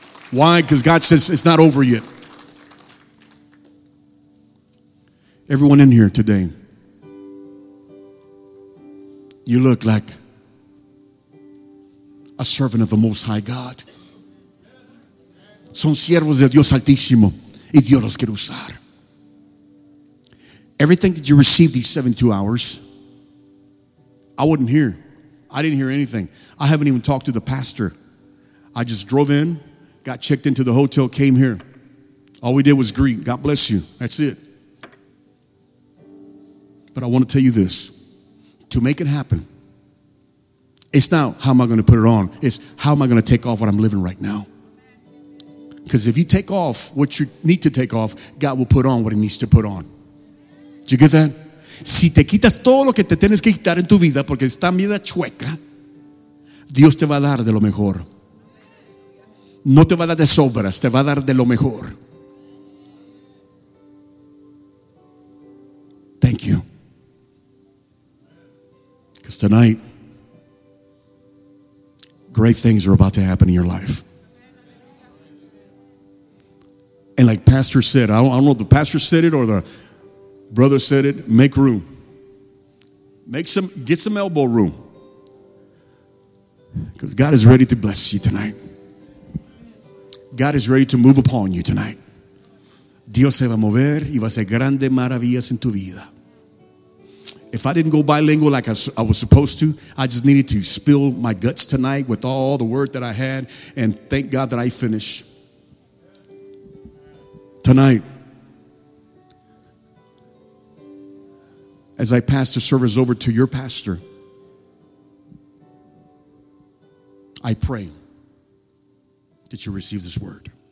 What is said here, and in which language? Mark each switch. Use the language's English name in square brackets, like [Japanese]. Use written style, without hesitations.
[English] Why? Because God says it's not over yet. Everyone in here today, you look like a servant of the Most High God. [Spanish] Son siervos de Dios Altísimo y Dios los quiere usar. [English] Everything that you received these 72 hours, I wasn't here. I didn't hear anything. I haven't even talked to the pastor. I just drove in, got checked into the hotel, came here. All we did was greet. God bless you. That's it. But I want to tell you this. To make it happen, it's not how am I going to put it on. It's how am I going to take off what I'm living right now. Because if you take off what you need to take off, God will put on what he needs to put on. Did you get that? [Spanish] Si te quitas todo lo que te tienes que quitar en tu vida porque está medio chueca, Dios te va a dar de lo mejor. No te va a dar de sobras, te va a dar de lo mejor. [English] Thank you. Because tonight, great things are about to happen in your life. And like Pastor said, I don't know if the pastor said it or the brother said it, make room. get some elbow room. Because God is ready to bless you tonight. God is ready to move upon you tonight. [Spanish] Dios se va a mover y va a hacer grandes maravillas en tu vida. [English] If I didn't go bilingual like I was supposed to, I just needed to spill my guts tonight with all the word that I had, and thank God that I finished. Tonight, as I pass the service over to your pastor, I pray that you receive this word.